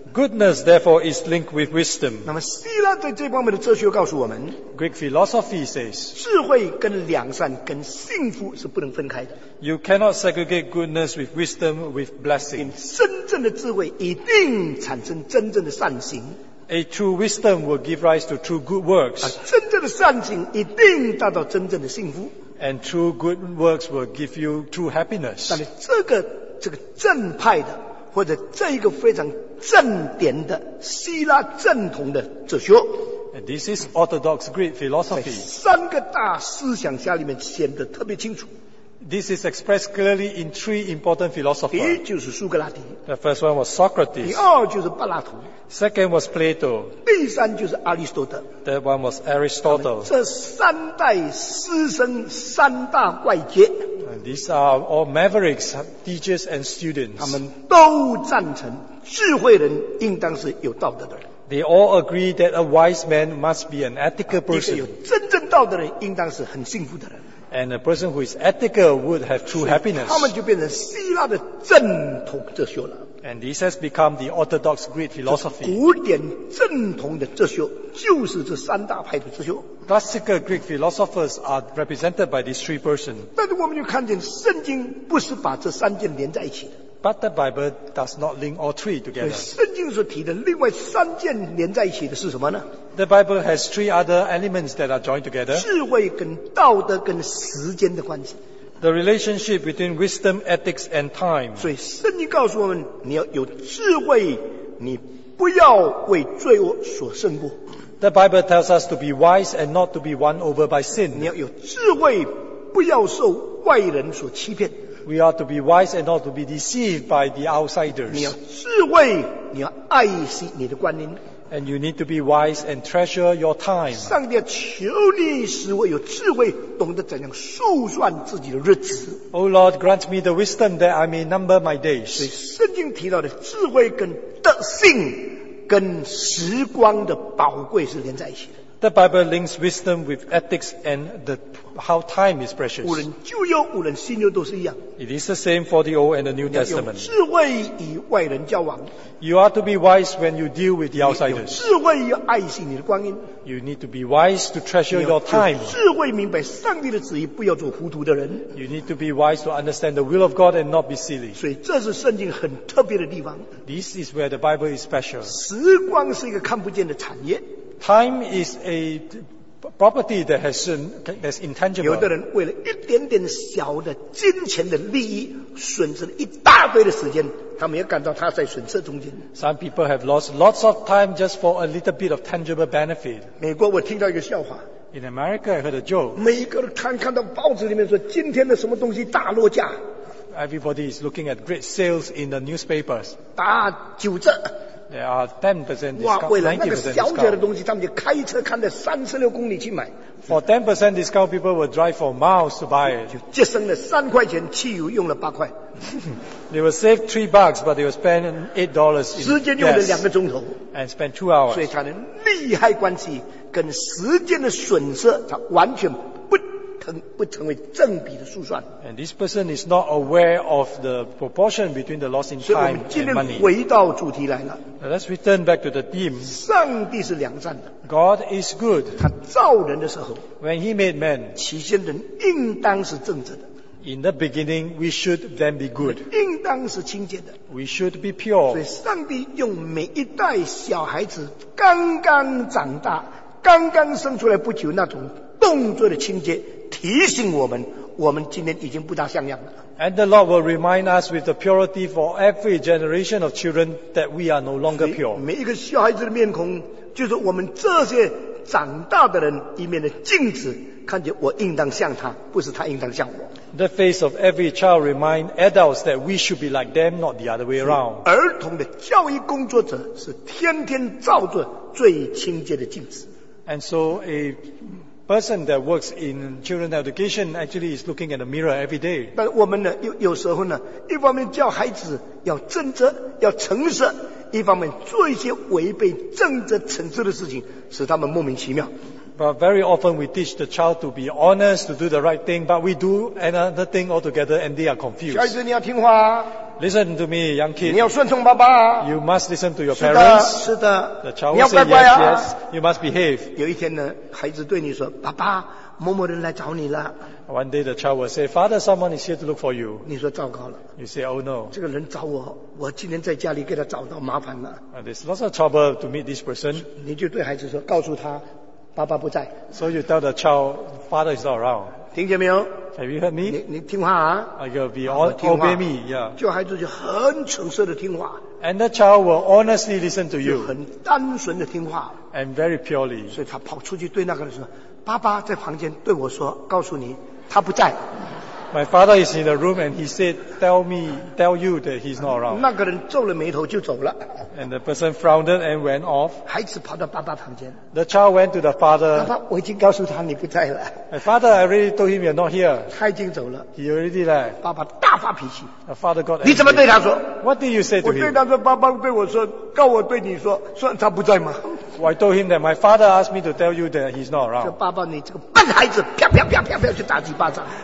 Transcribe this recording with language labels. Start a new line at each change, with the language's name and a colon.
English: Goodness therefore is linked with wisdom.
Chinese: 那么希腊在这方面的哲学告诉我们，
English: Greek philosophy says,
Chinese: 智慧跟良善跟幸福是不能分开的。
English: You cannot segregate goodness with wisdom with blessings.
Chinese: 真正的智慧一定产生真正的善行。
English: A true wisdom will give rise to true good works.
Chinese: 真正的善行一定达到真正的幸福。
English: And true good works will give you true happiness.
Chinese: 但是这个正派的或者这一个非常正典的希腊正统的哲学。
English: And this is Orthodox Greek philosophy.
Chinese: 三个大思想家里面显得特别清楚。
English: This is expressed clearly in three important philosophers.
Chinese: 第一就是苏格拉底。
English: The first one was Socrates.
Chinese: 第二就是柏拉图。
English: Second was Plato.
Chinese: 第三就是阿里斯多德。
English: Third one was Aristotle.
Chinese: 这三代师生三大怪杰。
English: These are all mavericks, teachers and students.
Chinese: 他们都赞成智慧人应当是有道德的人。
English: They all agree that a wise man must be an ethical person.
Chinese: 有真正道德的人应当是很幸福的人。
English: And a person who is ethical would have true happiness.
Chinese: 他们就变成希腊的正统哲学了。
English: And this has become the Orthodox Greek philosophy.
Chinese: 古典正统的哲学就是这三大派的哲学。
English: Classical Greek philosophers are represented by these three persons.
Chinese: 但是我们就看见圣经不是把这三件连在一起的。
English: But the Bible does not link all three together.
Chinese: 圣经所提的另外三件连在一起的是什么呢？
English: The Bible has three other elements that are joined together.
Chinese: 智慧跟道德跟时间的关系。
English: The relationship between wisdom, ethics, and time.
Chinese: 所以圣经告诉我们，你要有智慧，你不要为罪恶所胜过。
English: The Bible tells us to be wise and not to be won over by sin.
Chinese: 你要有智慧，不要受外人所欺骗。
English: We are to be wise and not to be deceived by the outsiders.
Chinese: 你要智慧，你要爱惜你的光阴。
English: And you need to be wise and treasure your time.
Chinese: 上帝求你使我有智慧，懂得怎样数算自己的日子。
English: Oh Lord, grant me the wisdom that I may number my days.
Chinese: 所以圣经提到的智慧跟德性，跟时光的宝贵是连在一起的。
English: The Bible links wisdom with ethics and how time is precious.
Chinese: 无论旧约，无论新约都是一样。
English: It is the same for the Old and the New Testament.
Chinese: 你要有智慧与外人交往。
English: You are to be wise when you deal with the outsiders.
Chinese: 你有智慧要爱惜你的光阴。
English: You need to be wise to treasure your time.
Chinese: 你有智慧明白上帝的旨意，不要做糊涂的人。
English: You need to be wise to understand the will of God and not be silly.
Chinese: 所以这是圣经很特别的地方。
English: This is where the Bible is special.
Chinese: 时光是一个看不见的产业。
English: Time is a property that has that's intangible.
Chinese: 有的人为了一点点小的金钱的利益，损失了一大堆的时间，他们也感到他在损失中间。
English: Some people have lost lots of time just for a little bit of tangible benefit.
Chinese: 美国，我听到一个笑话。
English: In America, I heard a joke.
Chinese: 每一个人看到报纸里面说今天的什么东西大落价。
English: Everybody is looking at great sales in the newspapers.
Chinese: 打九折。
English: There are 10% discount.
Chinese: 哇，为了那个小小的东西，他们就开车看到36公里去买。
English: For 10% discount, people will drive for miles to buy it.
Chinese: 就节省了三块钱，汽油用了八块。
English: They will save $3, but they will spend $8 in gas.
Chinese: 时间用了两个钟头。
English: And spend 2 hours.
Chinese: 所以他的利害关系跟时间的损失，他完全不成为正比的数算。
English: And this person is not aware of the proportion between the loss in time and money.
Chinese: 所以我们今天回到主题来了。
English: Let's return back to the theme.
Chinese: 上帝是良善的。
English: God is good.
Chinese: 他造人的时候。
English: When he made man.
Chinese: 起先人应当是正直的。
English: In the beginning, we should then be good.
Chinese: 应当是清洁的。
English: We should be pure.
Chinese: 所以上帝用每一代小孩子刚刚长大，刚刚生出来不久那种动作的清洁，提醒我们，我们今天已经不大像样了。
English: And the Lord will remind us with the purity for every generation of children that we are no longer pure.
Chinese: 每一个小孩子的面孔，就是我们这些长大的人一面的镜子，看见我应当像他，不是他应当像我。
English: The face of every child reminds adults that we should be like them, not the other way around.
Chinese: 儿童的教育工作者是天天照着最清洁的镜子。
English: And so aperson that works in children education actually is looking at a mirror every day.
Chinese: 但我们呢，有时候呢，一方面教孩子要正直、要诚实，一方面做一些违背正直、诚实的事情，使他们莫名其妙。
English: But very often we teach the child to be honest, to do the right thing, but we do another thing altogether, and they are confused.
Chinese: 小孩子，你要听话。
English: Listen to me, young kid.
Chinese: 你要顺从爸爸。
English: You must listen to your parents.
Chinese: 是的，是的。
English: The child will say
Chinese: 乖乖、啊、
English: yes, yes. You must behave.
Chinese: 有一天呢，孩子对你说：“爸爸，某某人来找你了。”
English: One day the child will say, "Father, someone is here to look for you."
Chinese: 你说糟糕了。
English: You say, "Oh no."
Chinese: 这个人找我，我今天在家里给他找到麻烦了。
English: And there's lots of trouble to meet this person.
Chinese: 你就对孩子说，告诉他，爸爸不在。
English: So you tell the child, "Father is not around."
Chinese: 听见没有？
English: Have you heard me?
Chinese: 你听话啊。
English: You will be obey me, yeah.
Chinese: 就孩子就很诚实的听话。
English: And the child will honestly listen to you.
Chinese: 很单纯的听话。
English: And very purely.
Chinese: 所以他跑出去对那个人说，爸爸在房间对我说，告诉你，他不在。
English: My father is in the room and he said, tell you that he's not around.
Chinese: 那个人皱了眉头就走了。
English: And the person frowned and went off.
Chinese: 孩子跑到爸爸旁边。
English: The child went to the father.
Chinese: 爸爸，我已经告诉他你不在了。
English: My father, I already told him you're not here.
Chinese: 他已经走了。
English: He already left.
Chinese: 爸爸大发脾气。
English: The father got angry.
Chinese: 你怎么对他说？
English: What did you say to him?
Chinese: 我对他说，爸爸对我说，告我对你说，算他不在吗？
English: Well, I told him that my father asked me to tell you that he's not around.
Chinese: 爸爸，你这个笨孩子，啪啪啪啪啪就打几巴掌。